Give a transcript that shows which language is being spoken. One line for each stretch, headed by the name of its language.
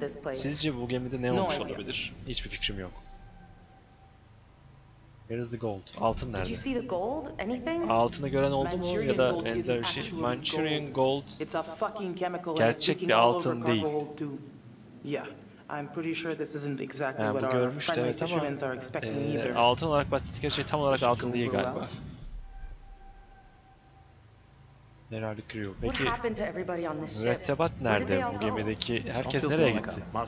Turkish: Sizce bu gemide ne olmuş olabilir? Hiçbir fikrim yok.
English: Where is the gold?
Turkish: Altın nerede?
English: Did you see the gold? Anything?
Turkish: Altını gören oldu mu ya da benzer bir şey?
English: Manchurian gold. It's a fucking chemical.
Turkish: Gerçek bir altın değil.
English: Yeah, I'm pretty sure this isn't exactly what our friendly fishermen are expecting either.
Turkish: Altın olarak bahsettik her şey tam olarak altın değil galiba.
English: Where are the crew?
Turkish: Peki, mürettebat nerede? Bu gemideki herkes nereye gitti?